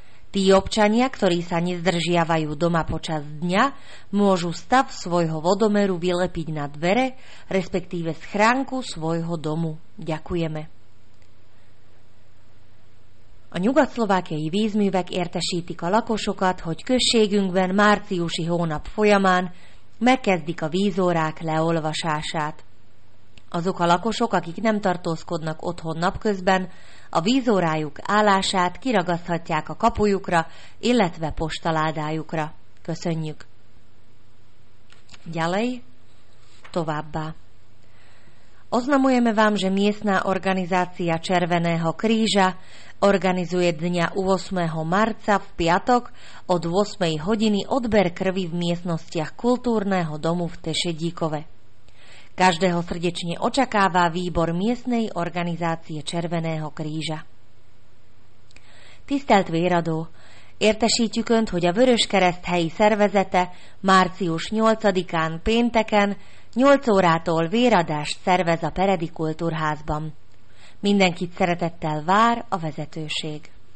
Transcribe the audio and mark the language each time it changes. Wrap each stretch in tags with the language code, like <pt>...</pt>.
<sk>Tí občania, ktorí sa nezdržiavajú doma počas dňa, môžu stav svojho vodomeru vylepiť na dvere, respektíve schránku svojho domu. Ďakujeme.</sk> <hu>A nyugatszlovákiai vízművek értesítik a lakosokat, hogy községünkben márciusi hónap folyamán megkezdik a vízórák leolvasását. Azok a lakosok, akik nem tartózkodnak otthon napközben, a vízórájuk állását kiragaszthatják a kapujukra, illetve postaládájukra. Köszönjük!</hu> <sk>Ďalej,</sk> <hu>továbbá.</hu> <sk>Oznamujeme vám, že miestna organizácia Červeného kríža organizuje dňa 8. marca v piatok od 8. hodiny odber krvi v miestnostiach kultúrneho domu v Tešedíkove. Každého srdečne očakáva výbor miestnej organizácie Červeného kríža.</sk> <hu>Tisztelt Véradó, értesítjük Önt, hogy a Vöröskereszt helyi szervezete március 8-án pénteken 8 órától véradást szervez a Peredi Kultúrházban. Mindenkit szeretettel vár a vezetőség.</hu>